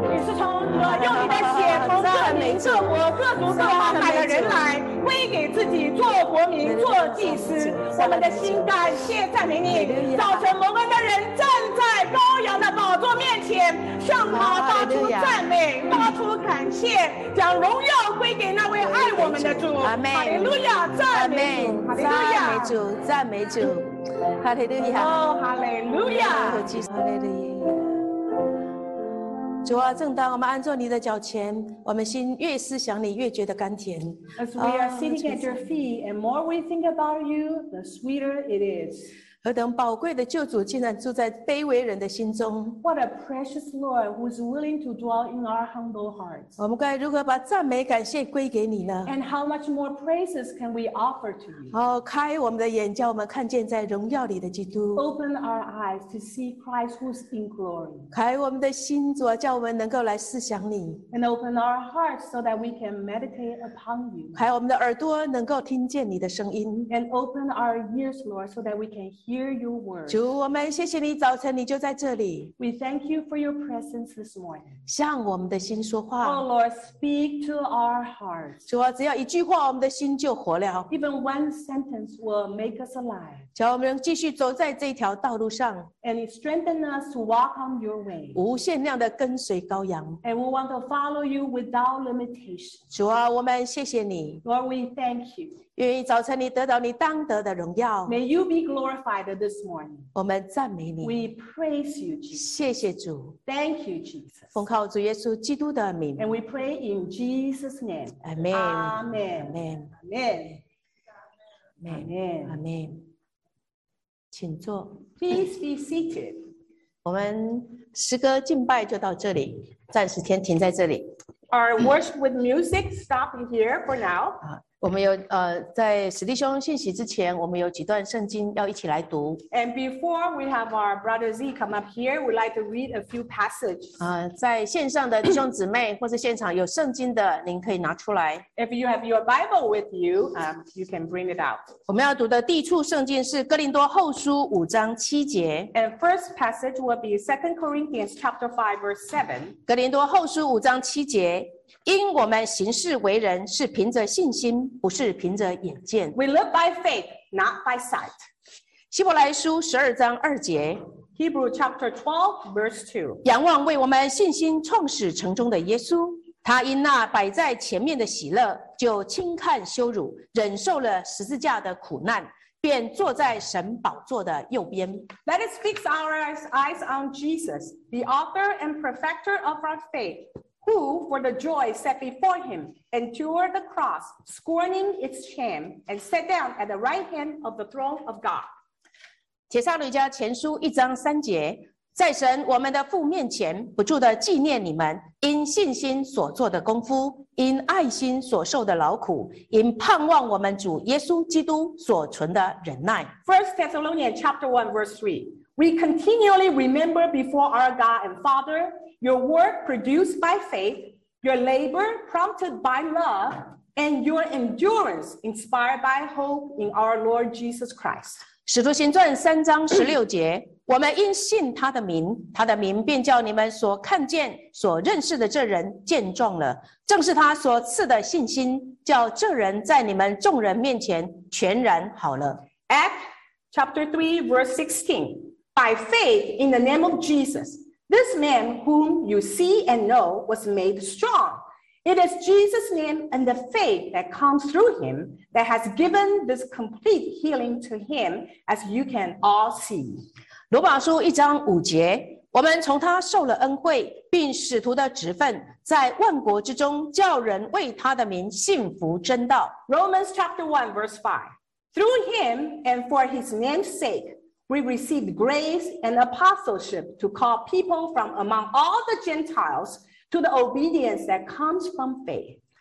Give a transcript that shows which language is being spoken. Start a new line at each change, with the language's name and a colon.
Chinese: 你是从用你的血从这里这国各族各王派的人来归给自己做国民做祭司，我们的心感谢赞美你，造成蒙恩的人站在羔羊的宝座面前，向他发出赞美，发出感谢，将荣耀归给那位爱我们的主。阿门，哈利路亚，赞美主，哈利路亚，赞美主，赞美主，哈利路亚，哈利路亚，哈利路亚。主啊，正当我们安坐你的脚前，我们心越思想你，越觉得甘甜。
English: As we are sitting at your feet, and more we think about you, the sweeter it is.
Chinese: 何等宝贵的救主，竟然住在卑微人的心中。
English: What a precious Lord who is willing to dwell in our humble hearts.
Chinese: 我们该如何把赞美感谢归给你呢
English: ？And how much more praises can we offer to you?
Chinese: 开我们的眼，叫我们看见在荣耀里的基督。
English: Open our eyes to see Christ who's in glory.
Chinese: 开我们的心，主啊，叫我们能够来思想你。
English: And open our hearts so that we can meditate upon you.
Chinese: 开我们的耳朵，能够听见你的声音。
English: And open our ears, Lord, so that we can hear your word.
Chinese: 主，我们谢谢你，早晨你就在这里。
English: We thank you for your presence this morning.
Chinese: 向我们的心说话。
English: Oh Lord, speak to our hearts.
Chinese: 主啊，只要一句话，我们的心就活了。
English: Even one sentence will make us alive.
Chinese: 叫我们能继续走在这条道路上。
English: And strengthen us to walk on your way.
Chinese: 无限量的跟随羔羊。
English: And we want to follow you without limitation.
Chinese: 主啊，我们谢谢你。
English: Lord, we thank you.
Chinese: 愿意早晨你得到你当得的荣耀。
English: May you be glorified this morning.
Chinese: 我们赞美你。
English: We praise you, Jesus.
Chinese: 谢谢主。
English: Thank you, Jesus.
Chinese: 奉靠主耶稣基督的名。
English: And we pray in Jesus' name. Amen. Amen. Amen. Amen. Amen. Amen.
Chinese: Amen. 请坐。
English: Please be seated.
Chinese: 我们诗歌敬拜就到这里，暂时先停在这里。
English: Our worship with music stop here for now.
Chinese: 我们有在史弟兄信息之前，我们有几段圣经要一起来读。
English: And before we have our brother Z come up here, we'd like to read a few passages.
Chinese: 在线上的弟兄姊妹或是现场有圣经的，您可以拿出来。
English: If you have your Bible with you, you can bring it out.
Chinese: 我们要读的第一处圣经是哥林多后书五章七节。
English: And first passage will be 2 Corinthians chapter 5 verse 7.
Chinese: 哥林多后书五章七节。因我们行事为人是凭着信心，不是凭着眼见。
English: We live by faith, not by sight.
Chinese: 希伯来书十二章二节。
English: Hebrew chapter 12, verse 2.
Chinese: 仰望为我们信心创始成终的耶稣，他因那摆在前面的喜乐，就轻看羞辱，忍受了十字架的苦难。便坐在神宝座的右边。
English: Let us fix our eyes on Jesus, the author and perfecter of our faith. Who, for the joy set before him, endured the cross, scorning its shame, and sat down at the right hand of the throne of God.
Chinese: 帖撒罗尼迦前书一章三节，在神我们的父面前，不住的纪念你们因信心所做的功夫，因爱心所受的劳苦，因盼望我们主耶稣基督所存的忍耐。
English: First Thessalonians chapter 1 verse 3. We continually remember before our God and Father. Your work produced by faith, your labor prompted by love, and your endurance inspired by hope in our Lord Jesus Christ.
Chinese: 使徒行传三章十六节，我们因信他的名，他的名便叫你们所看见、所认识的这人健壮了。正是他所赐的信心，叫这人在你们众人面前全然好了。
English: Acts chapter 3 verse 16. By faith in the name of Jesus. This man whom you see and know was made strong. It is Jesus' name and the faith that comes through him that has given this complete healing to him, as you can all see.
Chinese: 罗马书一章五节，我们从他受了恩惠，并使徒的职分，在万国之中叫人为他的名信服真道。
English: Romans chapter 1 verse 5. Through him and for his name's sake, we received grace and apostleship to call people from among all the Gentiles to the obedience that comes from faith.